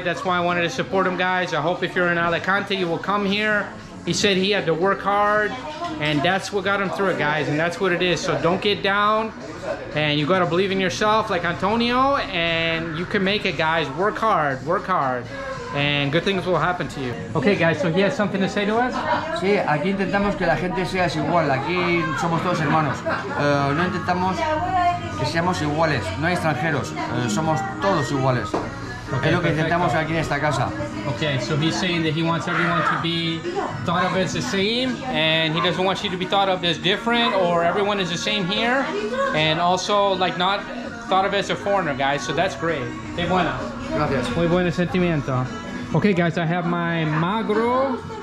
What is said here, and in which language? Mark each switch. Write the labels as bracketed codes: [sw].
[en] That's why I wanted to support him, guys. I hope if you're in Alicante, you will come here. He said he had to work hard, and that's what got him through it, guys. And that's what it is. So don't get down, and you got to believe in yourself, like Antonio, and you can make it, guys. Work hard, work hard, and good things will happen to you. Okay, guys. So he has something to say to us. [es] Sí, aquí intentamos que la gente sea igual. Aquí somos todos hermanos. No intentamos que seamos iguales. No hay extranjeros. Somos todos iguales. Okay, es lo que intentamos aquí en esta casa. [en] Okay, so he's saying that he wants everyone to be thought of as the same, and he doesn't want you to be thought of as different, or everyone is the same here, and also like not thought of as a foreigner, guys. So that's great. [es] Qué buena. Gracias. Muy buen sentimiento. [en] Okay, guys, I have my magro.